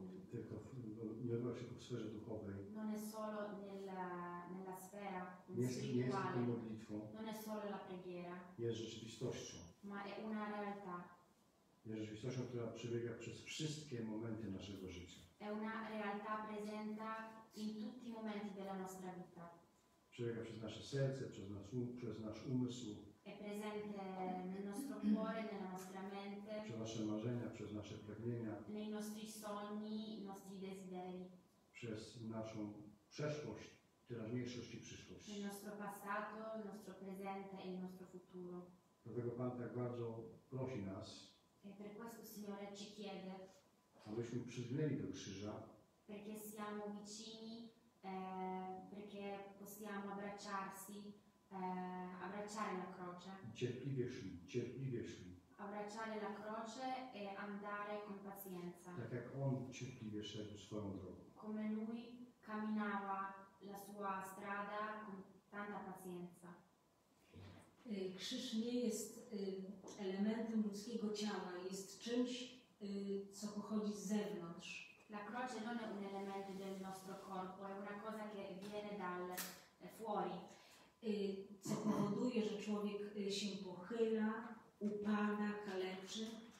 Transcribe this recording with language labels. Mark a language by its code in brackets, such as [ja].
[pl] tylko nie odbywa się w sferze duchowej. [it] Non è solo nella sfera spirituale. Non è solo la preghiera. [pl] Jest rzeczywistością. [it] Ma è una realtà. [pl] Jest rzeczywistością, która przebiega przez wszystkie momenty naszego życia. [it] È una realtà presente in tutti i momenti della nostra vita. [pl] Przebiega przez nasze serce, przez nasz umysł. [it] È presente nel nostro cuore, nella nostra mente. [pl] Przez nasze marzenia, przez nasze pragnienia. [it] Nei nostri sogni, i nostri desideri. [pl] Przez naszą przeszłość, teraźniejszość i przyszłość. [it] Nel nostro passato, il nostro presente e il nostro futuro. [pl] Dlatego Pan tak bardzo prosi nas. [it] E per questo Signore ci chiede. [pl] Abyśmy przyzwyczaili do krzyża. [it] Perché siamo vicini, perché possiamo abbracciarsi, abbracciare la croce. [pl] Cierpliwie szli. [it] Abbracciare la croce e andare con pazienza. [pl] Tak jak on cierpliwie szedł swoją drogą. [it] Come lui camminava la sua strada con tanta pazienza. [pl] Krzyż nie jest elementem ludzkiego ciała, jest czymś, co pochodzi z zewnątrz. [it] La croce non è un elemento del nostro corpo, è una cosa che viene dal fuori. [pl] Co powoduje, że człowiek się pochyla, upada, kaleczy.